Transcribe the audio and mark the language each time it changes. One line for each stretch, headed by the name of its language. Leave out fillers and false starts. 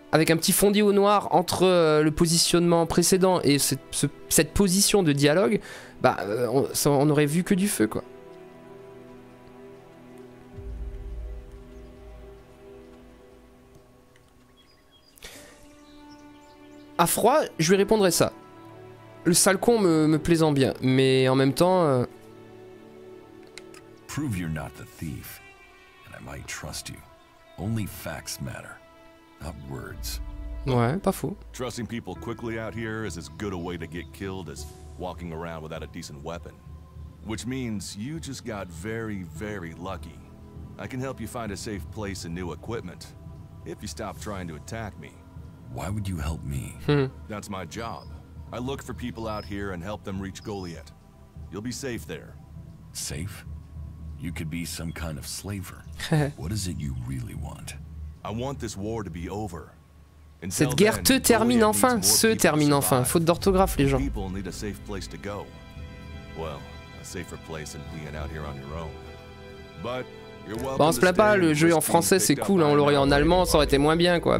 French: avec un petit fondu au noir entre le positionnement précédent et cette position de dialogue, on aurait vu que du feu, quoi. À froid, je lui répondrais ça. Le sale con me plaisant bien, mais en même temps...
English: Prove you're not the thief, and I might trust you. Only facts matter, not words.
French: Ouais, pas faux.
English: Trusting people quickly out here is as good a way to get killed as walking around without a decent weapon. Which means you just got very, very lucky. I can help you find a safe place and new equipment, if you stop trying to attack me. Why would you help me? That's my job. I look for people out here and help them reach Goliath. You'll be safe there. Safe? You could be some kind of slaver. What is it you really want? I want this war to be over. Until
French: cette guerre te termine enfin, se termine enfin. Faute d'orthographe, les gens.
English: People need a safe place to go. Well, a safer place than being out here on your own. But you're welcome.
French: On se plaint pas, le jeu en français c'est cool, on l'aurait en allemand, ça aurait été moins bien, quoi.